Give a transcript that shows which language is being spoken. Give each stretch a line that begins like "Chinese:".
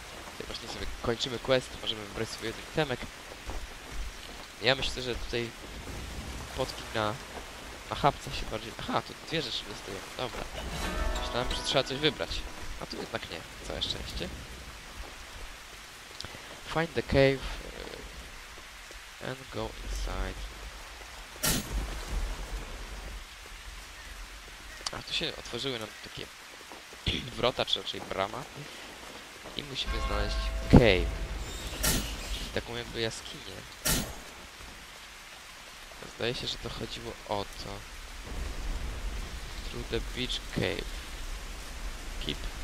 Polish: Tutaj właśnie sobie kończymy quest, możemy wybrać sobie jeden itemek. Ja myślę, że tutaj potki na chapce się bardziej... Aha, tu dwie rzeczy dostaję. Dobra. Myślałem, że trzeba coś wybrać. A tu jednak nie, całe szczęście.
English: Find the cave and go inside.
Polish: A tu się otworzyły nam takie wrota, czy raczej brama. I musimy znaleźć cave. Czyli taką jakby jaskinię. Zdaje się, że to chodziło o to.
English: Through the beach cave. Keep.